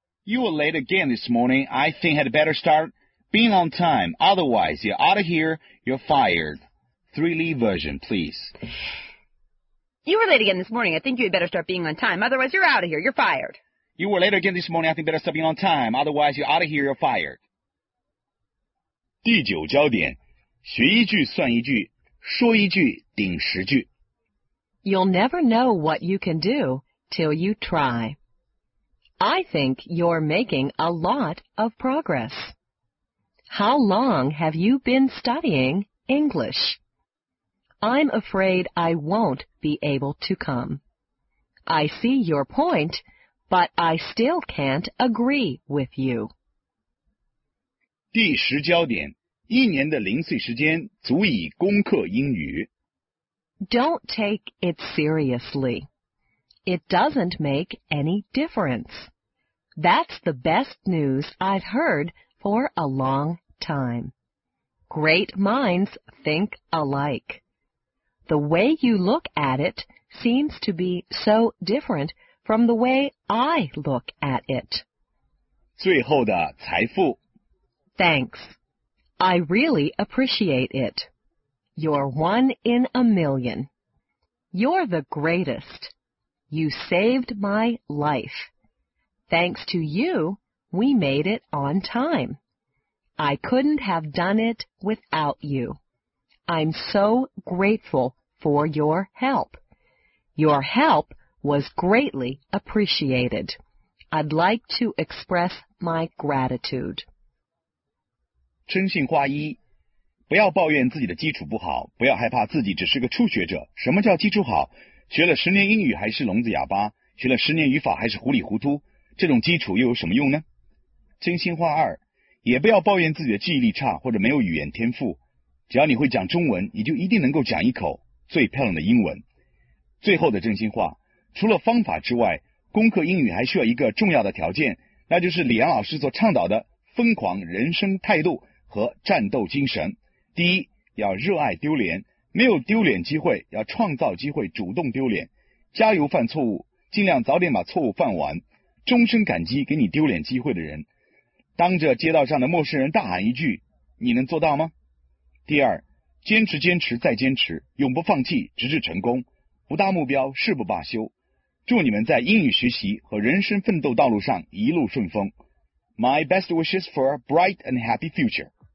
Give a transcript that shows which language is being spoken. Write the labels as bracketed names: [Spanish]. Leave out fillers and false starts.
[English] You were late again this morning. I think I'd better start being on time. Otherwise, you're out of here. You're fired. 3-Lee version, please. You were late again this morning. I think you'd better start being on time. Otherwise, you're out of here. You're fired. You were late again this morning. I think better start being on time. Otherwise, you're out of here. You're fired. [Chinese] 第九焦点，学一句算一句，说一句顶十句。 [English] You'll never know what you can do till you try. I think you're making a lot of progress. How long have you been studying English? I'm afraid I won't be able to come. I see your point, but I still can't agree with you. [Chinese] 第十焦点，一年的零碎时间足以攻克英语。 [English] Don't take it seriously. It doesn't make any difference. That's the best news I've heard for a long time. Great minds think alike. The way you look at it seems to be so different from the way I look at it. [Chinese] 最后的财富。 [English] Thanks. I really appreciate it. You're one in a million. You're the greatest. You saved my life. Thanks to you, we made it on time. I couldn't have done it without you. I'm so grateful for your help. Your help was greatly appreciated. I'd like to express my gratitude. [Chinese] 真性话一，不要抱怨自己的基础不好，不要害怕自己只是个初学者。什么叫基础好？学了十年英语还是聋子哑巴，学了十年语法还是糊里糊涂。这种基础又有什么用呢？真心话二，也不要抱怨自己的记忆力差或者没有语言天赋，只要你会讲中文，你就一定能够讲一口最漂亮的英文。最后的真心话，除了方法之外，攻克英语还需要一个重要的条件，那就是李阳老师所倡导的疯狂人生态度和战斗精神。第一，要热爱丢脸，没有丢脸机会，要创造机会，主动丢脸，加油犯错误，尽量早点把错误犯完，终身感激给你丢脸机会的人，当着街道上的陌生人大喊一句，你能做到吗？第二，坚持坚持再坚持，永不放弃，直至成功，不达目标誓不罢休。祝你们在英语学习和人生奋斗道路上一路顺风。 [English] My best wishes for a bright and happy future.